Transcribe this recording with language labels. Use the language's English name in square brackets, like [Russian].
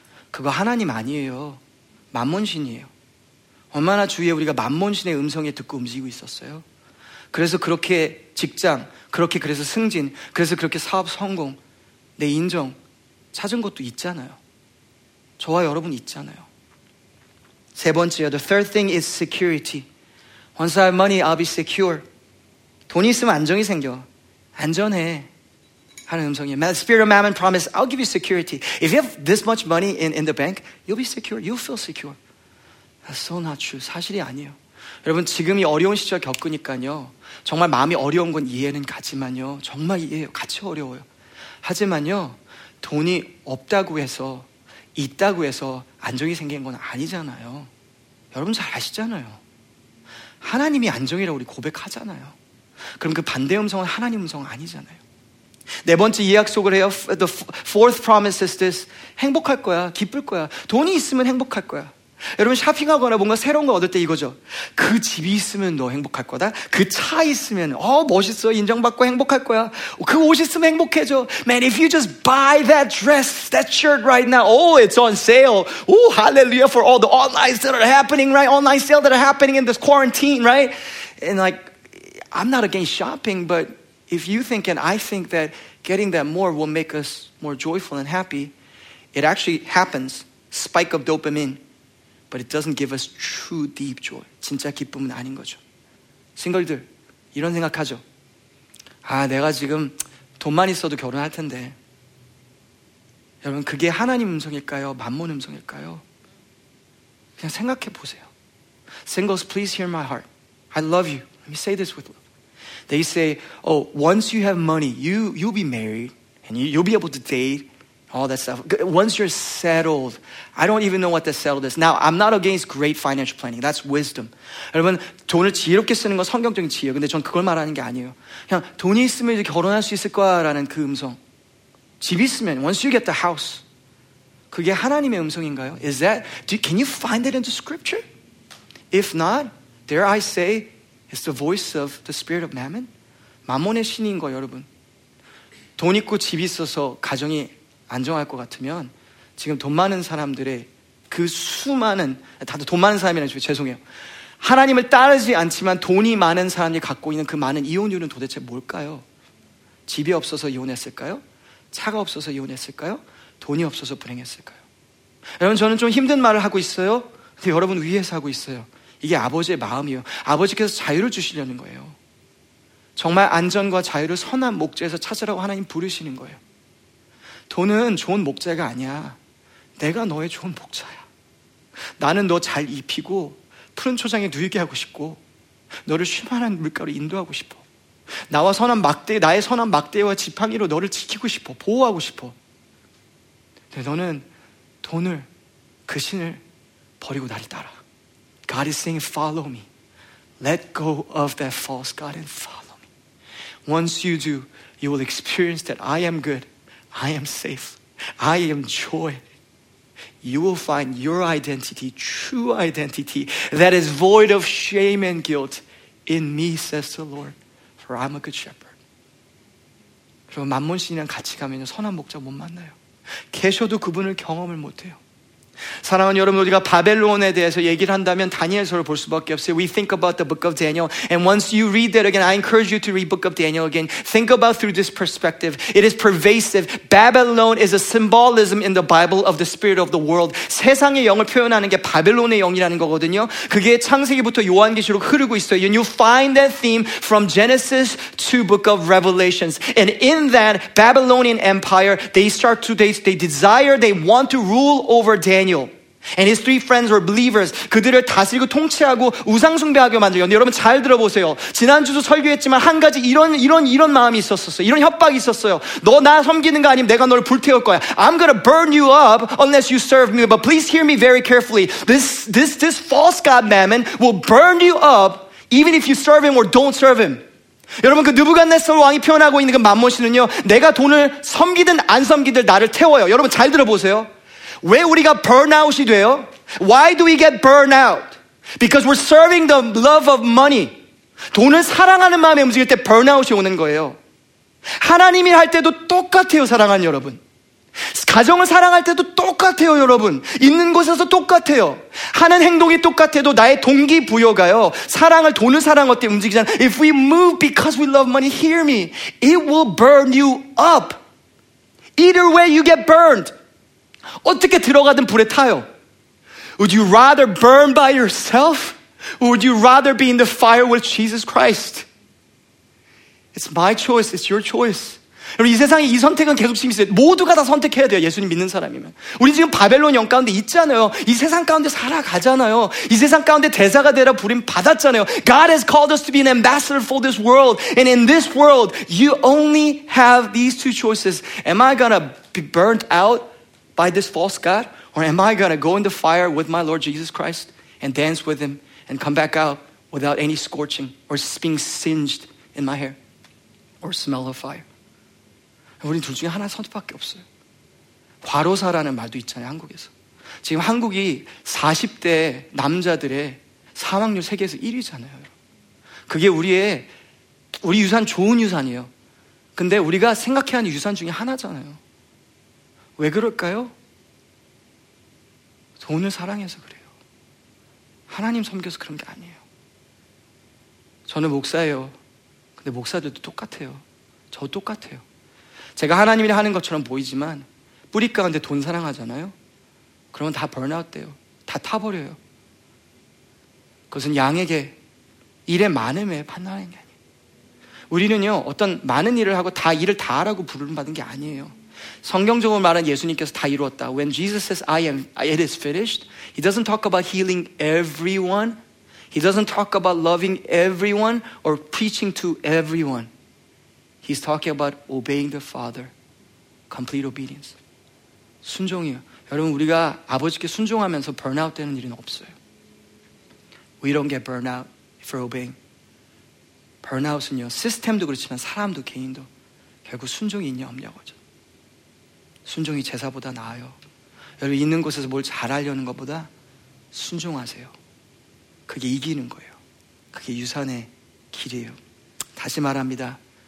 [Korean] 그거 하나님 아니에요. 만몬신이에요. 얼마나 주위에 우리가 만몬신의 음성에 듣고 움직이고 있었어요? 그래서 그렇게 직장, 그렇게 그래서 승진, 그래서 그렇게 사업 성공, 내 인정 찾은 것도 있잖아요. 저와 여러분 있잖아요. 세 번째, [English] the third thing is security. Once I have money, I'll be secure. [Korean] 돈이 있으면 안정이 생겨. 안전해. 하는 음성이에요. [English] The spirit of mammon promised, I'll give you security. If you have this much money in the bank, you'll be secure. You'll feel secure. That's so not true. [Korean] 사실이 아니에요. 여러분, 지금이 어려운 시절 겪으니까요. 정말 마음이 어려운 건 이해는 가지만요. 정말 이해해요. 같이 어려워요. 하지만요, 돈이 없다고 해서, 있다고 해서 안정이 생긴 건 아니잖아요. 여러분 잘 아시잖아요. 하나님이 안정이라고 우리 고백하잖아요. 그럼 그 반대 음성은 하나님 음성 아니잖아요. 네 번째 이 약속을 해요. [English] The fourth promise is this. [Korean] 행복할 거야. 기쁠 거야. 돈이 있으면 행복할 거야. 여러분 샤핑하거나 뭔가 새로운 거 얻을 때 이거죠. 그 집이 있으면 너 행복할 거다. 그 차 있으면 멋있어 인정받고 행복할 거야. 그 옷 있으면 행복해져. [English] Man, if you just buy that dress, that shirt right now, oh, it's on sale. Oh, hallelujah for all the online sales that are happening, right? Online sales that are happening in this quarantine, right? And like, I'm not against shopping, but if you think and I think that getting that more will make us more joyful and happy, it actually happens. Spike of dopamine. But it doesn't give us true deep joy. [Korean] 진짜 기쁨은 아닌 거죠. 싱글들 이런 생각하죠. 아 내가 지금 돈만 있어도 결혼할 텐데. 여러분 그게 하나님 음성일까요? 만몬 음성일까요? 그냥 생각해 보세요. [English] Singles, please hear my heart. I love you. Let me say this with love. They say, oh, once you have money, you'll be married. And you'll be able to date. All that stuff. Once you're settled, I don't even know what the settled is. Now, I'm not against great financial planning. That's wisdom. [Korean] 여러분, 돈을 지혜롭게 쓰는 건 성경적인 지혜예요. 근데 전 그걸 말하는 게 아니에요. 그냥 돈이 있으면 이제 결혼할 수 있을 거야라는 그 음성. 집이 있으면, [English] once you get the house. [Korean] 그게 하나님의 음성인가요? [English] Is that, can you find it in the scripture? If not, dare I say, it's the voice of the spirit of mammon? [Korean] 마몬의 신인 거예요, 여러분. 돈 있고 집이 있어서 가정이 안정할 것 같으면 지금 돈 많은 사람들의 그 수많은 다들 돈 많은 사람이라는 줄 죄송해요. 하나님을 따르지 않지만 돈이 많은 사람들이 갖고 있는 그 많은 이혼율은 도대체 뭘까요? 집이 없어서 이혼했을까요? 차가 없어서 이혼했을까요? 돈이 없어서 불행했을까요? 여러분 저는 좀 힘든 말을 하고 있어요. 근데 여러분 위에서 하고 있어요. 이게 아버지의 마음이에요. 아버지께서 자유를 주시려는 거예요. 정말 안전과 자유를 선한 목재에서 찾으라고 하나님 부르시는 거예요. 돈은 좋은 목재가 아니야. 내가 너의 좋은 목자야. 나는 너 잘 입히고 푸른 초장에 누이게 하고 싶고 너를 쉬만한 물가로 인도하고 싶어. 나와 선한 막대, 나의 선한 막대와 지팡이로 너를 지키고 싶어. 보호하고 싶어. 근데 너는 돈을, 그 신을 버리고 나를 따라. [English] God is saying, follow me. Let go of that false God and follow me. Once you do, you will experience that I am good. I am safe. I am joy. You will find your identity, true identity, that is void of shame and guilt in me, says the Lord. For I'm a good shepherd. [Korean] 그럼 만몬신이랑 같이 가면 선한 목자 못 만나요. 계셔도 그분을 경험을 못해요. 사랑하는 여러분, 우리가 바벨론에 대해서 얘기를 한다면 다니엘서를 볼 수밖에 없어요. [English] We think about the book of Daniel. And once you read that again, I encourage you to read book of Daniel again. Think about through this perspective. It is pervasive. Babylon is a symbolism in the Bible of the spirit of the world. [Korean] 세상의 영을 표현하는 게 바벨론의 영이라는 거거든요. 그게 창세기부터 요한계시록 흐르고 있어요. [English] And you find that theme from Genesis to book of Revelations. And in that Babylonian empire, they desire, they want to rule over Daniel and his three friends were believers. [Korean] 그들을 다스리고 통치하고 우상 숭배하게 만들어요. 여러분 잘 들어보세요. 지난주도 설교했지만 한 가지 이런 마음이 있었어요. 이런 협박이 있었어요. 너 나 섬기는 거 아니면 내가 너를 불태울 거야. [English] I'm gonna burn you up unless you serve me. But please hear me very carefully. This false god mammon will burn you up even if you serve him or don't serve him. [Korean] 여러분 그 느부갓네살 왕이 표현하고 있는 그 만몬신은요. 내가 돈을 섬기든 안 섬기든 나를 태워요. 여러분 잘 들어보세요. 왜 우리가 burnout이 돼요? [English] Why do we get burnout? Because we're serving the love of money. [Korean] 돈을 사랑하는 마음에 움직일 때 burnout이 오는 거예요. 하나님이 할 때도 똑같아요, 사랑하는 여러분. 가정을 사랑할 때도 똑같아요, 여러분. 있는 곳에서 똑같아요. 하는 행동이 똑같아도 나의 동기부여가요. 사랑을, 돈을 사랑할 때 움직이잖아요. [English] If we move because we love money, hear me. It will burn you up. Either way, you get burned. [Korean] 어떻게 들어가든 불에 타요. [English] Would you rather burn by yourself? Or would you rather be in the fire with Jesus Christ? It's my choice. It's your choice. [Korean] 여러분 이 세상에 이 선택은 계속 심있어요. 모두가 다 선택해야 돼요. 예수님 믿는 사람이면. 우리 지금 바벨론 영 가운데 있잖아요. 이 세상 가운데 살아가잖아요. 이 세상 가운데 대사가 되라 부름 받았잖아요. [English] God has called us to be an ambassador for this world. And in this world, you only have these two choices. Am I gonna be burnt out by this false God? Or am I going to go in the fire with my Lord Jesus Christ and dance with him and come back out without any scorching or being singed in my hair or smell of fire? [Korean] 우리 둘 중에 하나 선택밖에 없어요. 과로사라는 말도 있잖아요, 한국에서. 지금 한국이 40대 남자들의 사망률 세계에서 1위잖아요. 그게 우리 유산 좋은 유산이에요. 근데 우리가 생각해야 하는 유산 중에 하나잖아요. 왜 그럴까요? 돈을 사랑해서 그래요. 하나님 섬겨서 그런 게 아니에요. 저는 목사예요. 근데 목사들도 똑같아요. 저 똑같아요. 제가 하나님이 하는 것처럼 보이지만 뿌리 가운데 돈 사랑하잖아요. 그러면 다 번아웃 돼요. 다 타버려요. 그것은 양에게 일의 많음에 판단하는 게 아니에요. 우리는요, 어떤 많은 일을 하고 다 일을 다 하라고 부르는 게 아니에요. 성경적으로 말한 예수님께서 다 이루었다. [English] When Jesus says, it is finished, he doesn't talk about healing everyone. He doesn't talk about loving everyone or preaching to everyone. He's talking about obeying the Father. Complete obedience. [Korean] 순종이에요. 여러분, 우리가 아버지께 순종하면서 burnout 되는 일은 없어요. [English] We don't get burnout for obeying. [Korean] Burnout은요, 시스템도 그렇지만 사람도 개인도 결국 순종이 있냐 없냐 거죠. 순종이 제사보다 나아요. 여러분, 있는 곳에서 뭘 잘하려는 것보다 순종하세요. 그게 이기는 거예요. 그게 유산의 길이에요. 다시 말합니다.